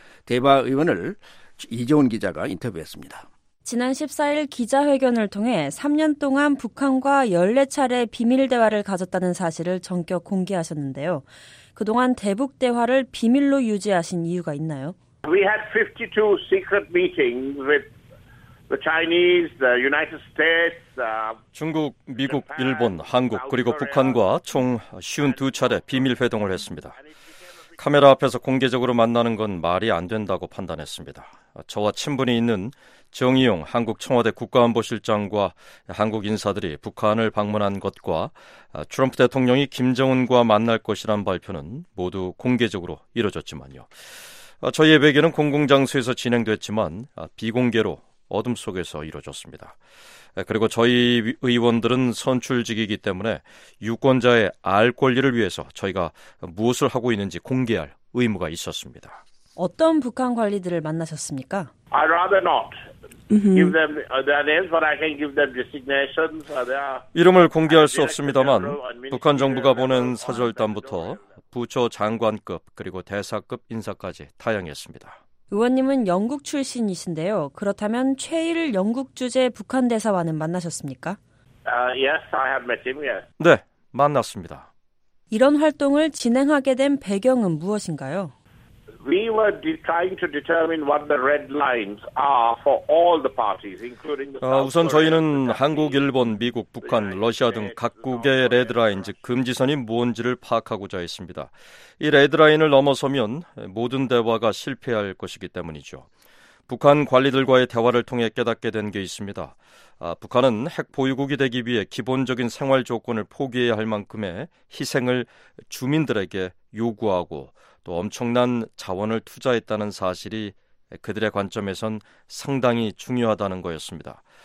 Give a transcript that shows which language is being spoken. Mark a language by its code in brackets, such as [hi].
[ko] 대바 의원을 이재훈 기자가 인터뷰했습니다. 지난 14일 기자회견을 통해 3년 동안 북한과 14차례 비밀 대화를 가졌다는 사실을 전격 공개하셨는데요. 그동안 대북 대화를 비밀로 유지하신 이유가 있나요? [en] We had 52 secret meetings with the Chinese, the United States, [ko] 중국, 미국, 일본, 한국 그리고 북한과 총 52차례 비밀 회동을 했습니다. 카메라 앞에서 공개적으로 만나는 건 말이 안 된다고 판단했습니다. 저와 친분이 있는 정의용 한국 청와대 국가안보실장과 한국 인사들이 북한을 방문한 것과 트럼프 대통령이 김정은과 만날 것이란 발표는 모두 공개적으로 이뤄졌지만요. 저희의 외교는 공공장소에서 진행됐지만 비공개로 어둠 속에서 이루어졌습니다. 그리고 저희 의원들은 선출직이기 때문에 유권자의 알 권리를 위해서 저희가 무엇을 하고 있는지 공개할 의무가 있었습니다. 어떤 북한 관리들을 만나셨습니까? [en] I'd rather not give them their names, but I can't give them designations. They are, [ko] 이름을 공개할 수 없습니다만 북한 정부가 보낸 사절단부터 부처 장관급 그리고 대사급 인사까지 다양했습니다. 의원님은 영국 출신이신데요. 그렇다면 최일 영국 주재 북한 대사와는 만나셨습니까? [en] Yes, I have met him. Yes. [ko] 네, 만났습니다. 이런 활동을 진행하게 된 배경은 무엇인가요? [en] We were trying to determine what the red lines are for all the parties, including the. [ko] 우선 저희는 한국, 일본, 미국, 북한, 러시아 등 각국의 레드라인, 즉 금지선이 무엇인지를 파악하고자 했습니다. 이 레드라인을 넘어서면 모든 대화가 실패할 것이기 때문이죠. 북한 관리들과의 대화를 통해 깨닫게 된 게 있습니다. 북한은 핵 보유국이 되기 위해 기본적인 생활 조건을 포기해야 할 만큼의 희생을 주민들에게 요구하고 또 엄청난 자원을 투자했다는 사실이 그들의 관점에선 상당히 중요하다는 거였습니다.